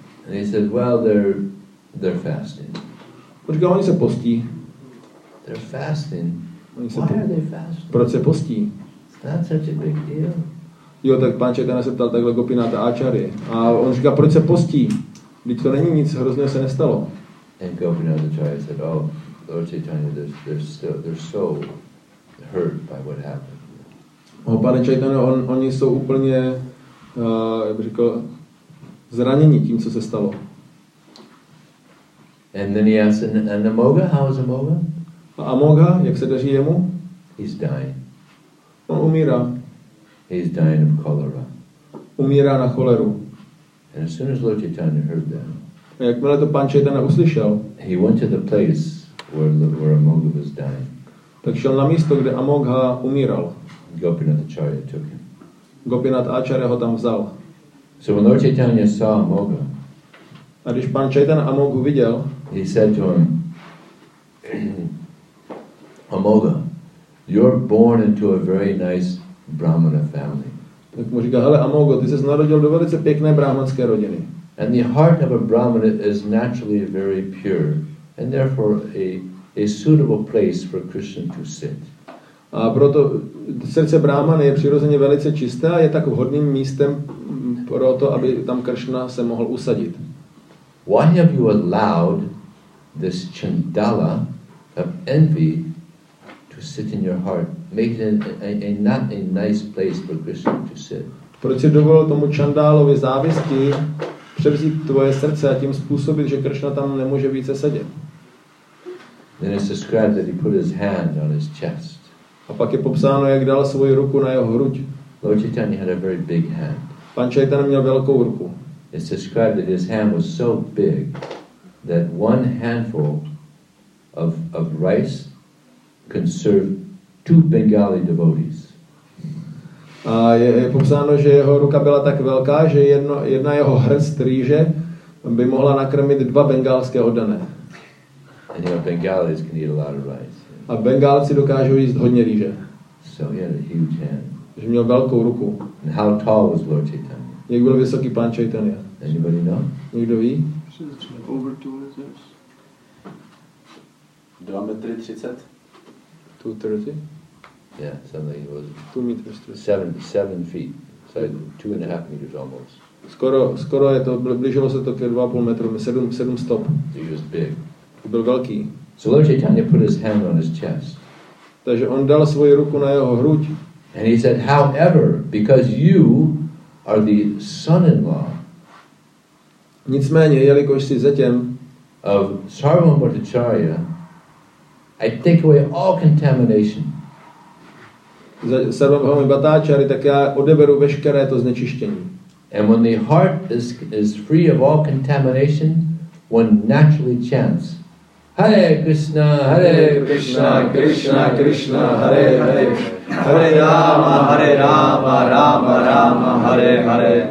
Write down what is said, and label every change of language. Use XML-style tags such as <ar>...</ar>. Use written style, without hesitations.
<en>And he said, "Well, they're fasting."</en> <cs>Říkal, oni se postí.</cs> <en>They're fasting. Why are they fasting?</en> <cs>Proč se postí?</cs> <en>That's such a big deal.</en> <cs>Jo, tak pán Chaitanya se ptal takhle Gopinatha Acharya. A on říká, proč se postí? Vždyť to není nic, hrozně se nestalo.</cs> <en>And Gopinatha Acharya said, "Oh, Lord Chaitanya, they're so hurt by what happened."</en> <cs>Pane Chaitanya, oni jsou úplně, jak bych řekl, zraněni tím, co se stalo.</cs> <en>And then he asked, "And Amoga, how is Amoga?"</en> <cs>A Amoga, jak se daří jemu?</cs> <en>He's dying.</en> <cs>On umírá.</cs> <en>He's dying of cholera.</en> <cs>Umírá na choleru.</cs> <en>And as soon as Lord Chaitanya heard that,</en> <cs>a jakmile to pan Chaitanya uslyšel,</cs> <en>he went to the place where Amoga was dying.</en> <cs>Tak šel na místo, kde Amoga umíral.</cs> <en>Gopinath Acharya took him.</en> <cs>Gopinath Acharya ho tam vzal.</cs> <en>So when Lord Chaitanya saw Amoga,</en> <cs>a když pan Chaitanya Amogu viděl,</cs> <en>he said to him, "Amoga, you're born into a very nice Brahmana family."</en> <cs>Tak mu říká, hele Amogo, ty jsi se narodil do velice pěkné brahmanské rodiny.</cs> <en>And the heart of a Brahmana is naturally very pure, and therefore a suitable place for a Christian to sit.</en> <cs>A proto srdce Brahmany je přirozeně velice čisté a je tak vhodným místem pro to, aby tam Kršna se mohl usadit.</cs> <en>Why have you allowed this chandala of envy to sit in your heart, making it not a nice place for Krishna to sit?</en> <cs>Proč jsi dovolil tomu čandálovi závisti převzít tvoje srdce a tím způsobit, že Kršna tam nemůže více sedět?</cs> <en>Then it's described that he put his hand on his chest.</en> <cs>A pak je popsáno, jak dal svoji ruku na jeho hruď.</cs> <en>Lord Chaitanya had a very big hand.</en> <cs>Pan Chaitanya měl velkou ruku.</cs> <en>It's described that his hand was so big that one handful of rice could serve two Bengali devotees.</en> <cs>A je popsáno, že jeho ruka byla tak velká, že jedna jeho hrst rýže by mohla nakrmit dva bengalské oddané.</cs> <en>And you know, Bengalis can eat a lot of rice.</en> <cs>A Bengálci dokážou jíst hodně rýže.</cs> <en>So he had a huge hand.</en> <cs>Že měl velkou ruku.</cs> <en>And how tall was Lord Chaitanya?</en> <cs>Jak byl vysoký pan Chaitanya?</cs> <en>Anybody know?</en> <cs>Někdo ví?</cs> <en>Over 2 meters.</en> <cs>2 metry 30.</cs> <en>2 meters 30. Yeah, something it was. 2 meters 30. 7 feet. So 2.5 meters almost.</en> <cs>Skoro je to, blížilo se to ke 2.5 metrům, 7 stop.</cs> <en>He was big.</en> <cs>Byl velký.</cs> <en>So Lord Chaitanya put his hand on his chest.</en> <cs>Takže on dal svoji ruku na jeho hruď.</cs> <en>And he said, however, because you are the son-in-law.</en> <cs>Nicméně, jelikož jsi zetěm</cs> <en>of Sarvam Bhattacharya, I take away all contamination.</en> <cs>Sarvam Bhattacharya, tak já odeberu veškeré to znečištění.</cs> <en>And when the heart is free of all contamination, one naturally chants Hare Krishna, Hare Krishna, Krishna Krishna, Hare Hare, Hare Rama, Rama Rama, Hare Hare.</en>